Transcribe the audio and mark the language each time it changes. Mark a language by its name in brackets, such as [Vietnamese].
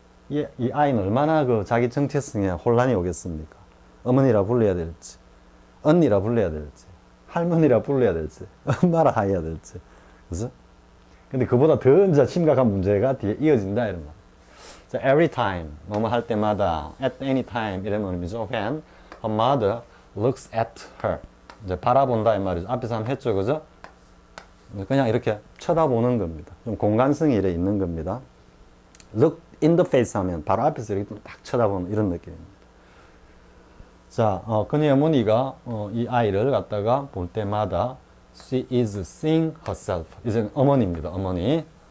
[Korean] 이 아이는 얼마나 그 자기 정체성에 혼란이 오겠습니까? 어머니라 불러야 될지. 언니라 불러야 될지. 할머니라 불러야 될지, 엄마라 해야 될지, 그죠? 근데 그보다 더 이제 심각한 문제가 뒤에 이어진다 이런 말. 자, [English] every time [Korean] 뭐뭐 할 때마다, [English] at any time [Korean] 이런 의미죠. [English] When her mother looks at her, [Korean] 이제 바라본다 이 말이죠. 앞에서 한번 했죠, 그죠? 그냥 이렇게 쳐다보는 겁니다. 좀 공간성이 이래 있는 겁니다. [English] Look in the face [Korean] 하면 바로 앞에서 이렇게 딱 쳐다보는 이런 느낌입니다. 자, 그녀의 어머니가 이 아이를 갖다가 볼 때마다 [English] she is seeing herself. [Korean] 이제는 어머니입니다. 어머니.